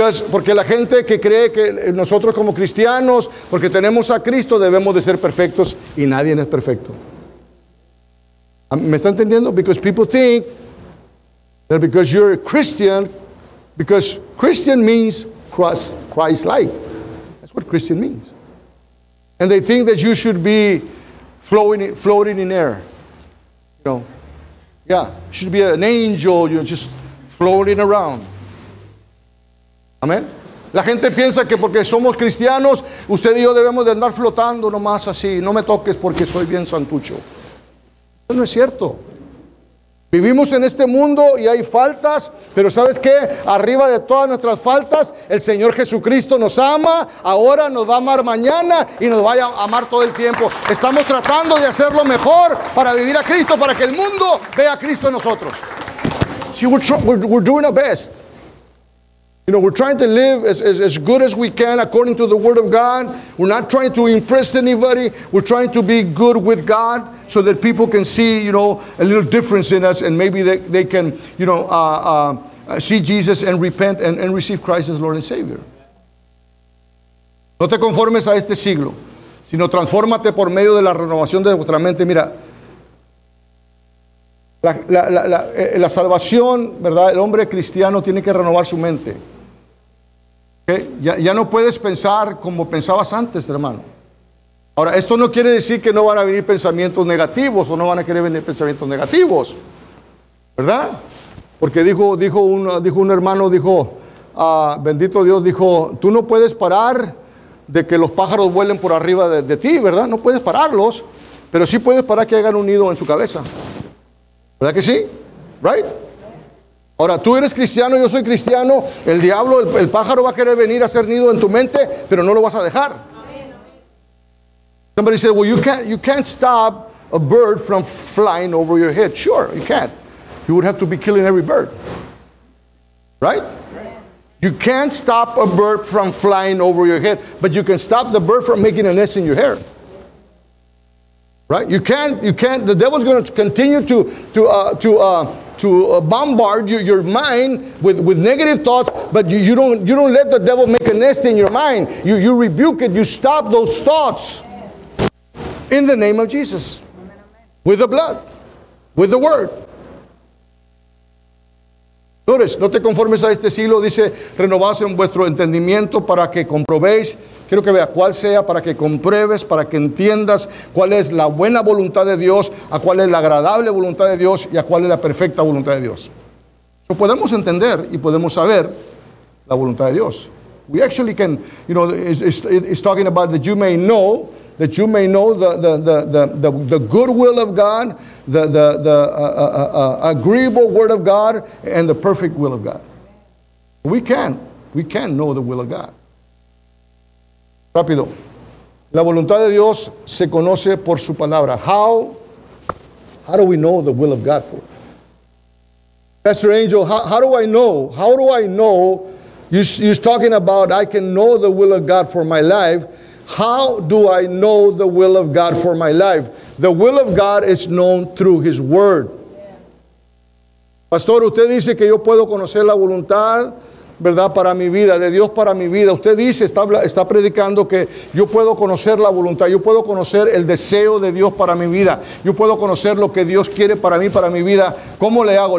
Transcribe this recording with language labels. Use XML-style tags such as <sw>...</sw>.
<es>Porque la gente que cree que nosotros como cristianos, porque tenemos a Cristo, debemos de ser perfectos, y nadie es perfecto. ¿Me está entendiendo?</es> <en>Because people think that because you're a Christian, because Christian means Christ-like. That's what Christian means. And they think that you should be floating in air. You know, yeah, you should be an angel, you know, just floating around.</en> <es>Amén. La gente piensa que porque somos cristianos, usted y yo debemos de andar flotando nomás así. No me toques porque soy bien santucho. Eso no es cierto. Vivimos en este mundo y hay faltas, pero ¿sabes qué? Arriba de todas nuestras faltas, el Señor Jesucristo nos ama, ahora nos va a amar mañana y nos va a amar todo el tiempo. Estamos tratando de hacerlo mejor para vivir a Cristo, para que el mundo vea a Cristo en nosotros.</es> <en>See, we're doing our best. You know, we're trying to live as good as we can according to the word of God. We're not trying to impress anybody. We're trying to be good with God so that people can see, you know, a little difference in us, and maybe they can, you know, see Jesus and repent and receive Christ as Lord and Savior.</en> <es>No te conformes a este siglo, sino transfórmate por medio de la renovación de vuestra mente. Mira, la salvación, ¿verdad? El hombre cristiano tiene que renovar su mente. Ya no puedes pensar como pensabas antes, hermano. Ahora, esto no quiere decir que no van a venir pensamientos negativos o no van a querer venir pensamientos negativos, ¿verdad? Porque dijo un hermano, bendito Dios, dijo, tú no puedes parar de que los pájaros vuelen por arriba de ti, ¿verdad? No puedes pararlos, pero sí puedes parar que hagan un nido en su cabeza. ¿Verdad que sí? ¿Right? Ahora, tú eres cristiano, yo soy cristiano, el diablo, el pájaro va a querer venir a hacer nido en tu mente, pero no lo vas a dejar.</es> <en>Somebody said, well, you can't stop a bird from flying over your head. Sure, you can't. You would have to be killing every bird. Right? You can't stop a bird from flying over your head, but you can stop the bird from making a nest in your hair. Right? You can't, the devil's going to continue to bombard your mind with negative thoughts, but you don't let the devil make a nest in your mind. You rebuke it. You stop those thoughts in the name of Jesus, with the blood, with the word.</en> <es>Señores, no te conformes a este siglo, dice, renovaos en vuestro entendimiento para que comprobéis, quiero que vea cuál sea, para que compruebes, para que entiendas cuál es la buena voluntad de Dios, a cuál es la agradable voluntad de Dios y a cuál es la perfecta voluntad de Dios. So podemos entender y podemos saber la voluntad de Dios.</es> <en>We actually can, you know, it's talking about that you may know the good will of God, the agreeable word of God, and the perfect will of God. We can know the will of God. Rápido.</en> <es>La voluntad de Dios se conoce por su palabra.</es> <en>How do we know the will of God for? Pastor Angel, how do I know? You're talking about I can know the will of God for my life. How do I know the will of God for my life? The will of God is known through His Word.</en> <es>Pastor, usted dice que yo puedo conocer la voluntad, ¿verdad?, para mi vida, de Dios para mi vida. Usted dice, está predicando que yo puedo conocer la voluntad, yo puedo conocer el deseo de Dios para mi vida, yo puedo conocer lo que Dios quiere para mí, para mi vida. ¿Cómo le hago?</es>